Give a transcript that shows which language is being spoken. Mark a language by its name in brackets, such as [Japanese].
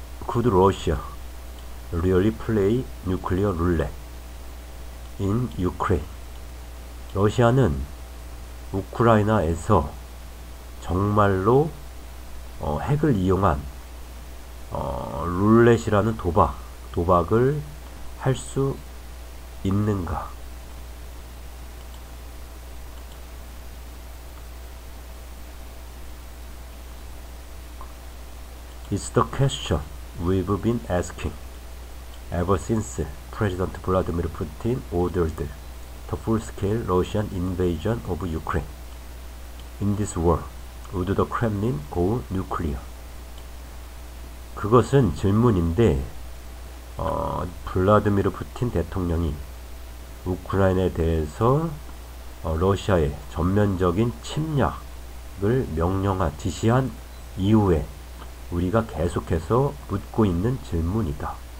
[English] Could Russia really play nuclear roulette in Ukraine? [Korean] 러시아는 우크라이나에서 정말로 핵을 이용한 룰렛이라는 도박을 할수 있는가? [English] It's the question we've been asking ever since President Vladimir Putin ordered the full-scale Russian invasion of Ukraine. In this war, would the Kremlin go nuclear? [Korean] 그것은 질문인데, 블라디미르 푸틴 대통령이 우크라이나에 대해서 러시아의 전면적인 침략을 명령한, 지시한 이후에 우리가 계속해서 묻고 있는 질문이다.